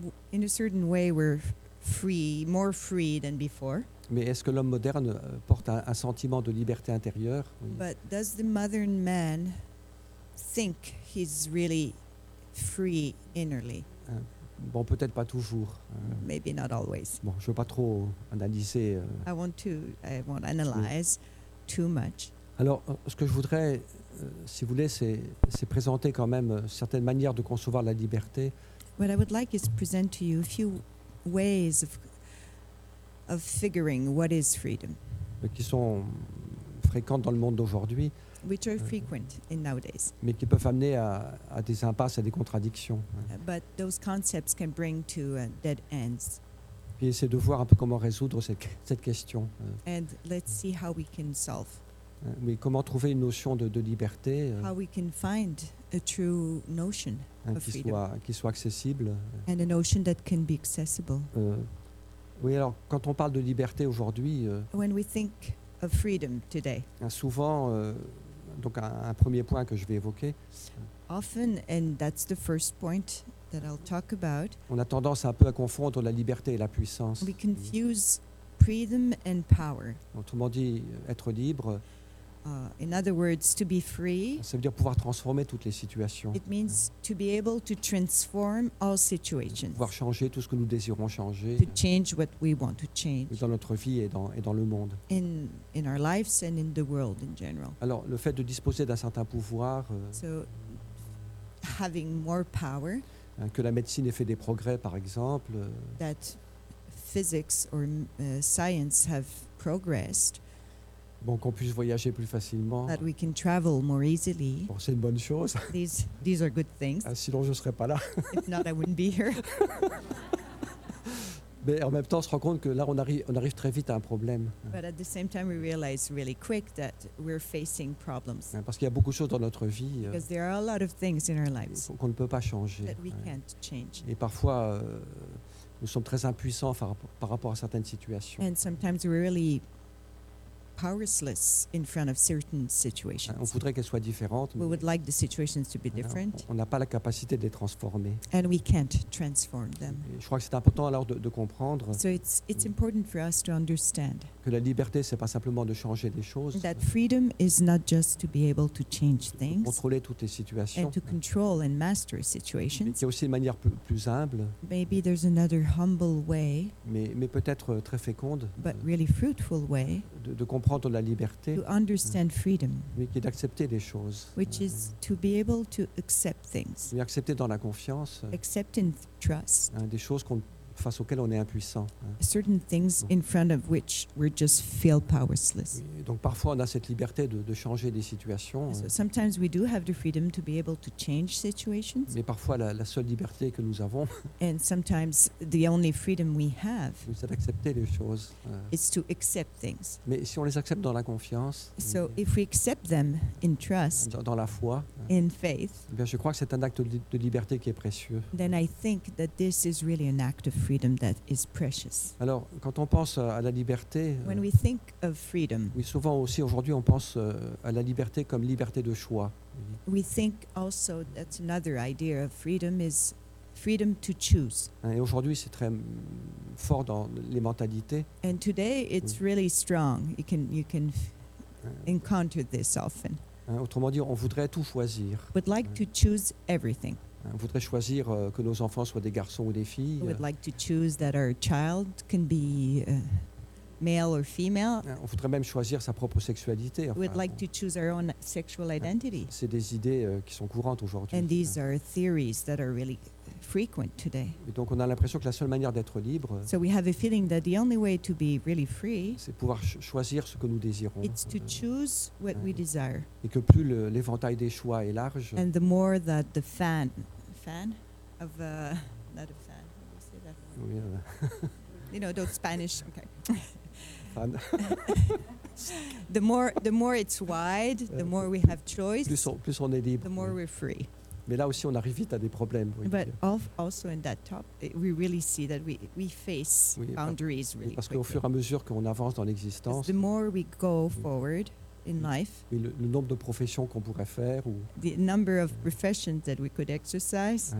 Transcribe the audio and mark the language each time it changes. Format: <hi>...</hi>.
<en>In a certain way, we're free, more free than before.</en> <fr>Mais est-ce que l'homme moderne porte un sentiment de liberté intérieure? Oui.</fr> <en>But does the modern man think he's really free innerly?</en> <fr>Bon, peut-être pas toujours.</fr> <en>Maybe not always.</en> <fr>Bon, je veux pas trop analyser.</fr> <en>I won't analyze too much.</en> <fr>Alors, ce que je voudrais, si vous voulez, c'est présenter quand même certaines manières de concevoir la liberté.</fr> <en>What I would like is present to you a few ways of figuring what is freedom.</en> <fr>Qui sont fréquentes dans le monde d'aujourd'hui.</fr> <en>Which are frequent in nowadays.</en> <fr>Mais qui peuvent amener à des impasses, à des contradictions.</fr> <en>But those concepts can bring to dead ends.</en> <fr>Puis essayer de voir un peu comment résoudre cette question.</fr> <en>And let's see how we can solve.</en> <fr>Mais comment trouver une notion de liberté.</fr> <en>How we can find a true notion of freedom.</en> <fr>Qui soit accessible.</fr> <en>And a notion that can be accessible.</en> <fr>Oui, alors, quand on parle de liberté aujourd'hui.</fr> <en>When we think of freedom today.</en> <fr>Souvent, donc un premier point que je vais évoquer.</fr> <en>Often, and that's the first point that I'll talk about.</en> <fr>On a tendance un peu à confondre la liberté et la puissance.</fr> <en>We confuse freedom and power.</en> <fr>Autrement dit, être libre.</fr> <en>In other words, to be free.</en> <fr>Ça veut dire pouvoir transformer toutes les situations.</fr> <en>It means to be able to transform all situations.</en> <fr>Pouvoir changer tout ce que nous désirons changer.</fr> <en>To change what we want to change.</en> <fr>Dans notre vie et dans le monde.</fr> <en>In our lives and in the world in general.</en> <fr>Alors, le fait de disposer d'un certain pouvoir.</fr> <en>So, having more power.</en> <fr>Que la médecine ait fait des progrès, par exemple.</fr> <en>That physics or science have progressed.</en> <fr>Bon, qu'on puisse voyager plus facilement.</fr> <en>That we can travel more easily.</en> <fr>Bon, c'est une bonne chose.</fr> <en>These are good things.</en> <fr>Sinon, je ne serais pas là.</fr> <en>If not, I wouldn't be here.</en> <fr>Mais en même temps, on se rend compte que là, on arrive très vite à un problème.</fr> <en>But at the same time, we realize really quick that we're facing problems.</en> <fr>Parce qu'il y a beaucoup de choses dans notre vie.</fr> <en>Because there are a lot of things in our lives.</en> <fr>Qu'on ne peut pas changer.</fr> <en>That we can't change.</en> <fr>Et parfois, nous sommes très impuissants par rapport à certaines situations.</fr> <en>And sometimes we're really powerless in front of certain situations.</en> <fr>On voudrait qu'elles soient différentes.</fr> <en>We would like the situations to be different.</en> <fr>On n'a pas la capacité de les transformer.</fr> <en>And we can't transform them.</en> <fr>Je crois que c'est important alors de comprendre.</fr> <en>So it's important for us to understand.</en> <fr>Que la liberté, c'est pas simplement de changer des choses.</fr> <en>That freedom is not just to be able to change things.</en> <fr>De contrôler toutes les situations.</fr> <en>And to control and master situations.</en> <fr>Mais aussi une manière plus humble.</fr> <en>Maybe there's another humble way.</en> <fr>Mais peut-être très féconde.</fr> <en>But really fruitful way.</en> <fr>De comprendre la liberté.</fr> <en>To understand freedom.</en> <fr>Mais qui est d'accepter des choses.</fr> <en>Which is to be able to accept things.</en> <fr>Mais accepter dans la confiance.</fr> <en>Accept in trust.</en> <fr>Des choses qu'on face auxquelles on est impuissant.</fr> <en>Certain things in front of which we just feel powerless.</en> <fr>Donc parfois on a cette liberté de changer des situations.</fr> <en>So sometimes we do have the freedom to be able to change situations.</en> <fr>Mais parfois la seule liberté que nous avons.</fr> <en>And sometimes the only freedom we have.</en> <fr>C'est d'accepter les choses.</fr> <en>It's to accept things.</en> <fr>Mais si on les accepte dans la confiance.</fr> <en>So if we accept them in trust.</en> <fr>Dans la foi.</fr> <en>In faith.</en> <fr>Bien, je crois que c'est un acte de liberté qui est précieux.</fr> <en>Then I think that this is really an act of freedom that is precious.</en> <fr>Alors, quand on pense à la liberté,</fr> <en>when we think of freedom,</en> <fr>oui, souvent aussi aujourd'hui on pense à la liberté comme liberté de choix.</fr> <en>We think also that's another idea of freedom is freedom to choose.</en> <fr>Et aujourd'hui c'est très fort dans les mentalités.</fr> <en>And today it's really strong. You can encounter this often.</en> <fr>Autrement dit, on voudrait tout choisir.</fr> <en>We'd like to choose everything.</en> <fr>On voudrait choisir que nos enfants soient des garçons ou des filles.</fr> <en>We would like to choose that our child can be male or female.</en> <fr>On voudrait même choisir sa propre sexualité.</fr> <en>We would like to choose our own sexual identity.</en> <fr>C'est des idées qui sont courantes aujourd'hui.</fr> <en>And these are theories that are really frequent today.</en> <fr>Et donc on a l'impression que la seule manière d'être libre.</fr> <en>So we have a feeling that the only way to be really free.</en> <fr>C'est pouvoir choisir ce que nous désirons.</fr> <en>It's to choose what we desire.</en> <fr>Et que plus l'éventail des choix est large.</fr> <en>And the more that the fan. How do you say that? Oui, you know, those Spanish. Okay. Fan. the more it's wide, the more we have choice.</en> <fr>Plus on est libre.</fr> <en>The more we're free.</en> <fr>Mais là aussi, on arrive vite à des problèmes. Oui.</fr> <en>But also in that topic, we really see that we face oui, boundaries really.</en> <fr>Parce qu'au fur et à mesure qu'on avance dans l'existence,</fr> <en>the more we go forward in life,</en> <fr>le nombre de professions qu'on pourrait faire, ou</fr> <en>the number of professions that we could exercise,</en>